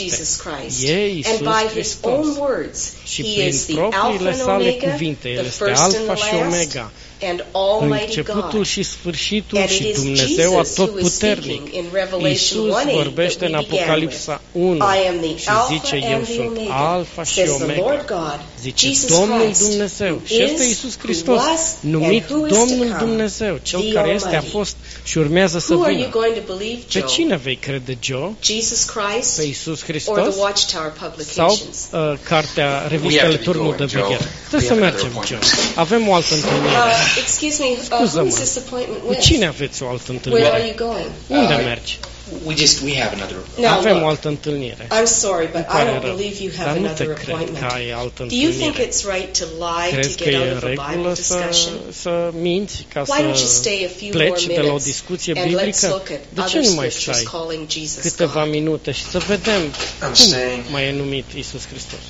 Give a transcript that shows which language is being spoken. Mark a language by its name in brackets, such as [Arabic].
[English] It is Jesus Christ, and by his own words, he is the Alpha and Omega, the first and the last, and Almighty God. And [Romanian] începutul și sfârșitul și Dumnezeu atotputernic. Iisus vorbește în Apocalipsa 1 și zice, eu sunt Alpha și Omega. Zice, Domnul Dumnezeu, și este Iisus Hristos, numit Domnul Dumnezeu, cel care este, a fost și urmează să vină. Pe cine vei crede, Joe? Pe Iisus Hristos? Sau cartea revistele Turnul de Vigher? Trebuie să mergem, Joe. Avem o altă întâlnire. [English] Excuse me, who is this appointment with? [Romanian] Cu cine aveți o altă întâlnire? [English] Where are you going? [Romanian] Unde mergi? [English] We have another. [Romanian] No, avem o altă întâlnire. [English] I'm sorry, but I don't believe you have another appointment. Do you think it's right to lie to get out of a Bible discussion? [Romanian] Să minți ca să pleci de la o discuție biblică? De ce nu mai stai câteva minute și să vedem cum mai e numit Iisus Hristos?